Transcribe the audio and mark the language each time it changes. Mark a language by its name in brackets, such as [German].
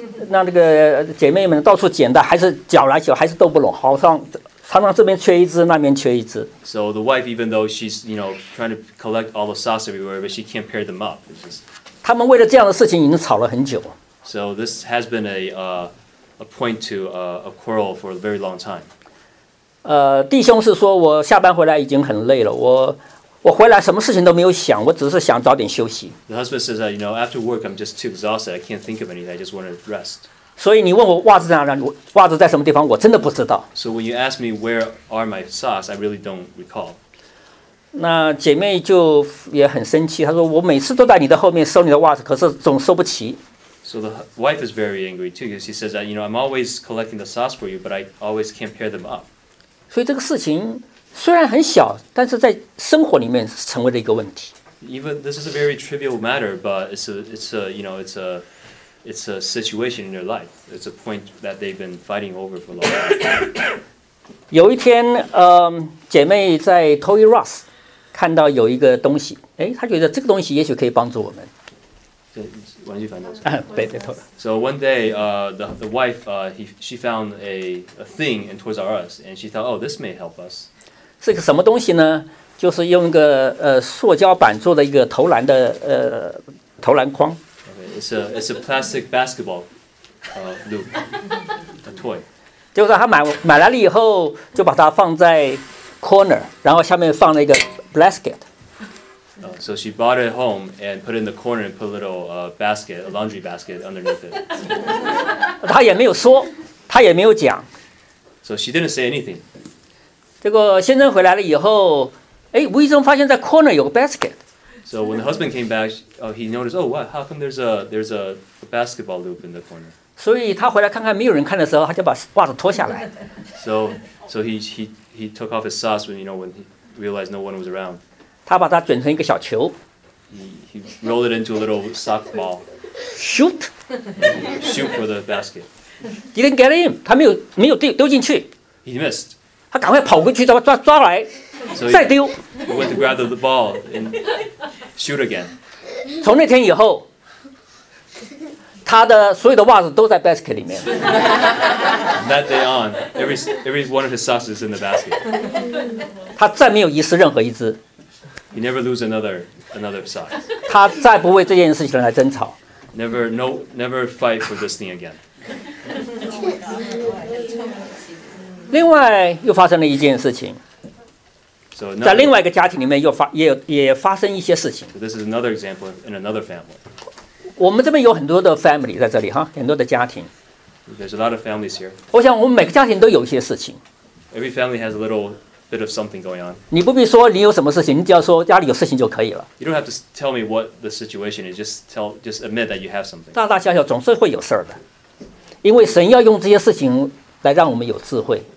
[Chinese] 那个姐妹们到处捡的，还是搅来搅，还是斗不拢，好像常常这边缺一只，那边缺一只。 [English] So the wife, even though she's, you know, trying to collect all the socks everywhere, but she can't pair them up. [Chinese] 他们为了这样的事情已经吵了很久。 [English] So this has been a point to a quarrel for a very long time. [Chinese] 弟兄是说我下班回来已经很累了，我回来什么事情都没有想，我只是想早点休息。 [English] The husband says that, you know, after work I'm just too exhausted, I can't think of anything, I just want to rest. [Chinese] 所以你问我袜子在哪里，袜子在什么地方，我真的不知道。 [English] So when you ask me where are my socks, I really don't recall. [Chinese] 那姐妹就也很生气，她说我每次都在你的后面收你的袜子，可是总收不齐。 [English] So the wife is very angry too, because she says that, you know, I'm always collecting the socks for you, but I always can't pair them up. [Chinese] 所以这个事情虽然很小，但是在生活里面成为了一个问题。 [English] Even this is a very trivial matter, but it's a situation in their life. It's a point that they've been fighting over for a long time. [Chinese] 有一天，姐妹在 Toy Ross 看到有一个东西，哎，她觉得这个东西也许可以帮助我们。玩具反斗车。 [English] So one day, the wife, she found a thing in Toys R Us, and she thought, oh, this may help us. [Chinese] 是个什么东西呢？就是用一个塑胶板做的一个投篮的投篮框。 [English] Okay, it's a plastic basketball, loop, a toy. [Chinese] 就是他买来了以后，就把它放在 corner, 然后下面放了一个 basket. [English] So she bought it home and put it in the corner and put a little basket, a laundry basket underneath it. [Chinese] 她也没有说，她也没有讲。 [English] So she didn't say anything. [Chinese] 结果先生回来了以后，哎，无意中发现在 corner 有个 basket. [English] So when the husband came back, he noticed, oh, what? How come there's a basketball loop in the corner? [Chinese] 所以他回来看看没有人看的时候，他就把袜子脱下来。 [English] So he took off his socks when he realized no one was around. [Chinese] 他把它卷成一个小球。 [English] He rolled it into a little sock ball. Shoot! Shoot for the basket. Didn't get him. [Chinese] 他没有丢进去。 [English] He missed. [Chinese] 他赶快跑过去抓来， [English] so、 [Chinese] 再丢。 [English] He went to grab the ball and shoot again. [Chinese] 从那天以后，他的所有的袜子都在 basket 里面。 [English] That day on, every one of his socks is in the basket. [Chinese] 他再没有遗失任何一只。 [English] He never lose another sock. [Chinese] 他再不为这件事情来争吵。 [English] Never fight for this thing again. [Chinese] 另外又发生了一件事情。 [English] So another, [Chinese] 在另外一个家庭里面也发生一些事情。 [English] So、this is another example in another family. [Chinese] 我们这边有很多的 family 在这里哈，很多的家庭。 [English] There's a lot of families here. [Chinese] 我想我们每个家庭都有一些事情。 [English] Every family has a little bit of something going on. [Chinese] 你不必说你有什么事情，你只要说家里有事情就可以了。 [English] You don't have to tell me what the situation is. Just admit that you have something. [Chinese] 大大小小总是会有事的，因为神要用这些事情来让我们有智慧。